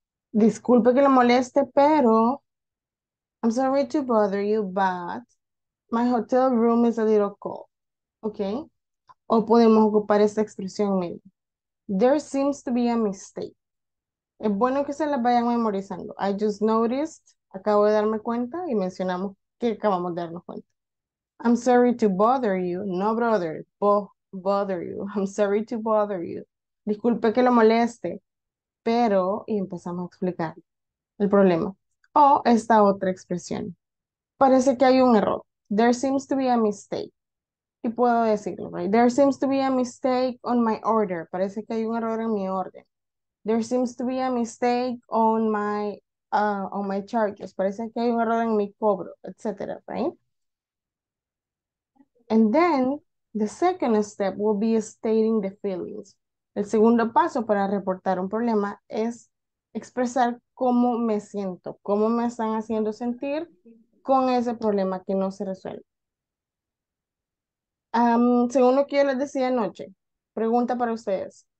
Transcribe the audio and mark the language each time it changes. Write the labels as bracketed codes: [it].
[es] Disculpe que lo moleste, pero [en] I'm sorry to bother you, but my hotel room is a little cold. Okay? [es] O podemos ocupar esta expresión, mire. [en] There seems to be a mistake. [es] Es bueno que se las vayan memorizando. [en] I just noticed, [es] acabo de darme cuenta y mencionamos que acabamos de darnos cuenta. [en] I'm sorry to bother you. No, brother. Bo bother you. I'm sorry to bother you. [es] Disculpe que lo moleste. pero, y empezamos a explicar el problema. O esta otra expresión. Parece que hay un error. [en] There seems to be a mistake. [es] Y puedo decirlo, right? [en] There seems to be a mistake on my order. [es] Parece que hay un error en mi orden. [en] There seems to be a mistake on my charges. [es] Parece que hay un error en mi cobro, etc. [en] Right? And then the second step will be stating the feelings. [es] El segundo paso para reportar un problema es expresar cómo me siento, cómo me están haciendo sentir con ese problema que no se resuelve. Según lo que yo les decía anoche, pregunta para ustedes.